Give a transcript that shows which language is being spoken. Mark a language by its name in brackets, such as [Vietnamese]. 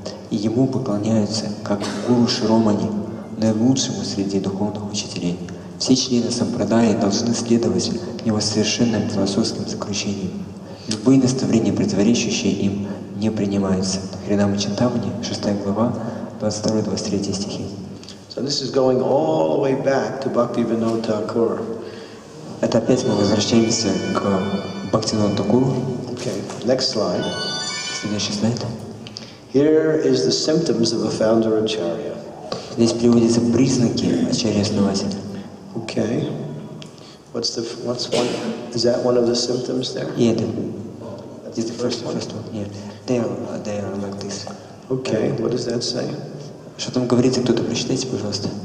[Russian] И ему поклоняются, как гуру Широмани, наилучшему среди духовных учителей. Все члены Сампрадаи должны следовать его совершенным философским заключениям. Любые наставления, противоречащие им, не принимаются. Харинама Чинтамани, 6 глава, 22-23 стихи. [English] So this is going all the way back to Bhaktivinoda Thakur. [Russian] Это опять мы возвращаемся к Бхактивинода Такуру. [English] Okay, next slide. [Russian] Следующий слайд. [English] Here is the symptoms of a founder acharya. [Russian] Здесь приводятся признаки ачарья-основателя. [English] Okay. What's one? Is that one of the symptoms there? Yeah, that's the first one. Yeah. They are like this. Okay. What does that say? [Russian] Что там говорится? Кто-то прочитайте, пожалуйста.